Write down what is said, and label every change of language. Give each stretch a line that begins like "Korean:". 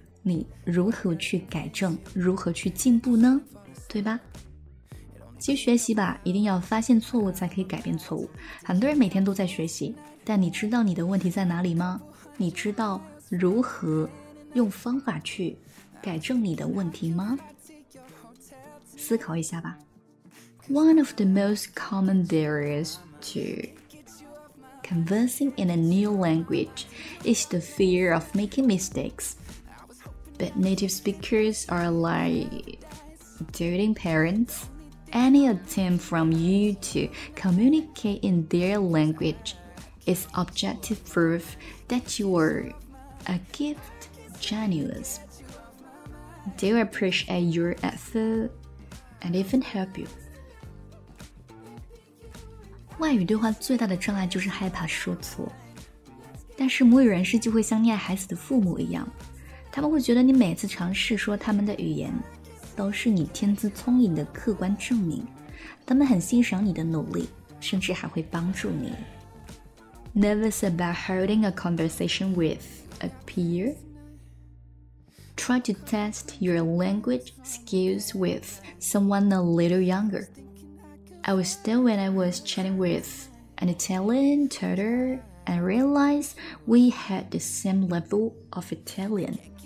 Chinese: 你如何去改正，如何去进步呢？对吧？其实学习吧，一定要发现错误才可以改变错误。很多人每天都在学习，但你知道你的问题在哪里吗？你知道如何用方法去改正你的问题吗？思考一下吧。
English: One of the most common barriers to conversing in a new language is the fear of making mistakes. But native speakers are like doting parents. Any attempt from you to communicate in their language is objective proof that you are a gift genius. They will appreciate your effort and even help you.
Chinese: 外语对话最大的障碍就是害怕说错，但是母语人士就会像溺爱孩子的父母一样，他们会觉得你每次尝试说他们的语言都是你天资聪颖的客观证明，他们很欣赏你的努力，甚至还会帮助你。
English: Nervous about holding a conversation with a peer? Try to test your language skills with someone a little youngerI was still when I was chatting with an Italian tutor and realized we had the same level of Italian.